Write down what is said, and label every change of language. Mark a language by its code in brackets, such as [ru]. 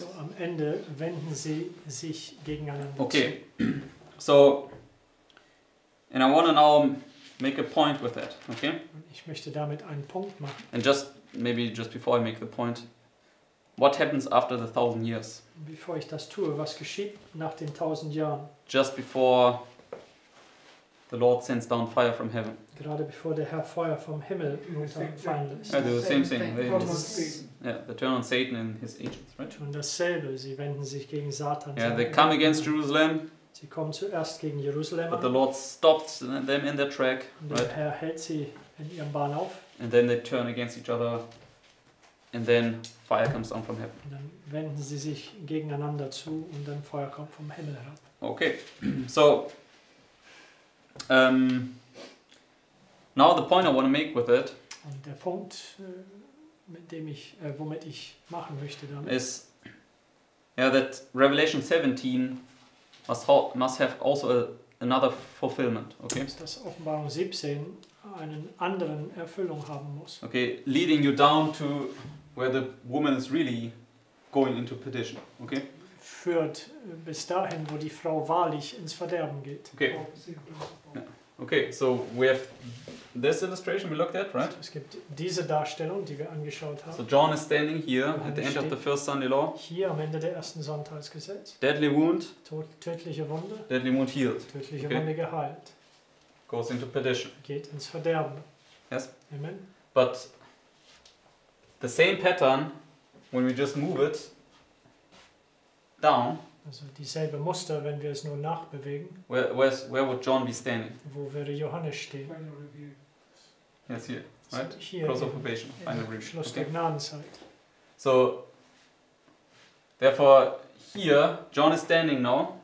[de] So am Ende wenden sie sich gegeneinander. [en] Okay, so... And I want to now make a point with that, okay? [de] Ich möchte damit einen Punkt machen. [en] And just before I make the point, what happens after the 1,000 years? [de] Bevor ich das tue, was geschieht nach den 1,000 Jahren? [en] Just before the Lord sends down fire from heaven. [de] Gerade bevor der Herr Feuer vom Himmel runterfallen lässt. [en] Yeah, the same thing. They turn on Satan and his agents, right? [de] Tun dasselbe. Sie wenden sich gegen Satan. [en] Yeah, they come against Jerusalem. [de] Sie kommen zuerst gegen Jerusalem. [en] But the Lord stopped them in their track. [de] Und der Herr hält sie in ihrem Bahn auf. [en] And then they turn against each other. And then fire comes down from heaven. [de] Und dann wenden sie sich gegeneinander zu und dann Feuer kommt vom Himmel herab. [en] Okay, so now the point I want to make with it. [de] Und der Punkt, mit dem ich, womit ich machen möchte, dann ist, [en] Yeah, that Revelation 17 must have also another fulfillment. Okay. [de] Dass Offenbarung 17 einen anderen Erfüllung haben muss. [en] Okay, leading you down to where the woman is really going into perdition. Okay. [de] Führt bis dahin, wo die Frau wahrlich ins Verderben geht. [en] Okay. Okay, so we have this illustration we looked at, right? [de] Es gibt diese Darstellung, die wir angeschaut haben. [en] So John is standing here at the end of the first Sunday law. [de] Hier am Ende der ersten Sonntagsgesetz. [en] Deadly wound. [de] Tödliche Wunde. [en] Deadly wound healed. [de] Tödliche Wunde geheilt. [en] Goes into perdition. [de] Geht ins Verderben. [en] Yes. Amen. But the same pattern, when we just move it down. [de] Also dieselbe Muster, wenn wir es nur nachbewegen. [en] Where would John be standing? [de] Wo würde Johannes stehen? [en] Final review. Yes, here, right? So here Cross of probation, final review. [de] Schluss der Gnadenzeit. [en] So, therefore, here, John is standing now.